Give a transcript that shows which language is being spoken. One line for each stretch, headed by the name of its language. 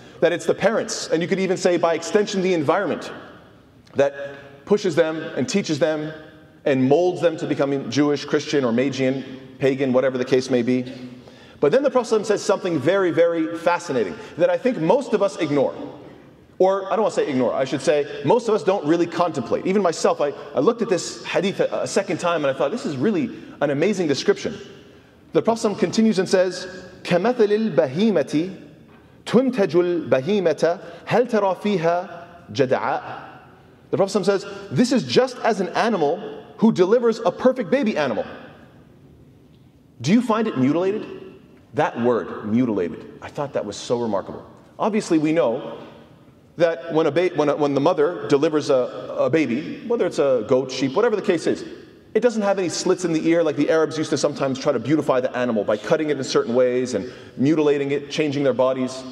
English: That it's the parents, and you could even say by extension the environment, that pushes them and teaches them and molds them to becoming Jewish, Christian, or Magian, pagan, whatever the case may be. But then the Prophet says something very, very fascinating that I think most of us ignore. Or I don't want to say ignore, I should say most of us don't really contemplate. Even myself, I looked at this hadith a second time and I thought, this is really an amazing description. The Prophet continues and says,
Arabic: كَمَثَلِ الْبَهِيمَةِ تُنْتَجُ الْبَهِيمَةَ هَلْ تَرَى فِيهَا جَدَعَاءَ.
English: The Prophet says, this is just as an animal who delivers a perfect baby animal. Do you find it mutilated? That word, mutilated, I thought that was so remarkable. Obviously, we know that when the mother delivers a baby, whether it's a goat, sheep, whatever the case is, it doesn't have any slits in the ear like the Arabs used to sometimes try to beautify the animal by cutting it in certain ways and mutilating it, changing their bodies.